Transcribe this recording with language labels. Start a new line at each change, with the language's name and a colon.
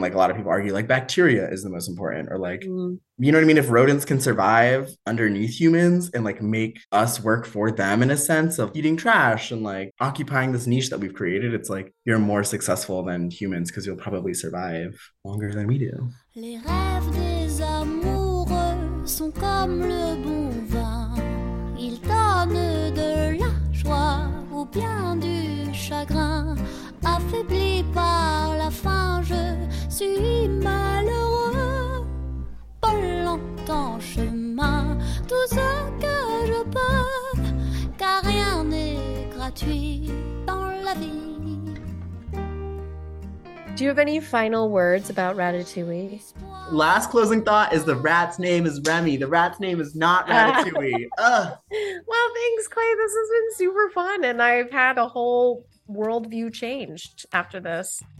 English: Like a lot of people argue like bacteria is the most important or like, you know what I mean? If rodents can survive underneath humans and like make us work for them in a sense of eating trash and like occupying this niche that we've created, it's like you're more successful than humans because you'll probably survive longer than we do.
French: Les rêves des amoureux sont comme le bon vin. Ils donnent de la joie ou bien du chagrin. Affaibli par la faim, je suis malheureux. Pas longtemps chemin, tout ce que je peux, car rien n'est gratuit dans la vie.
English: Do you have any final words about Ratatouille? Last closing thought is the rat's name is Remy. The rat's name is not Ratatouille. Well, thanks, Clay. This has been super fun, and I've had a whole worldview changed after this.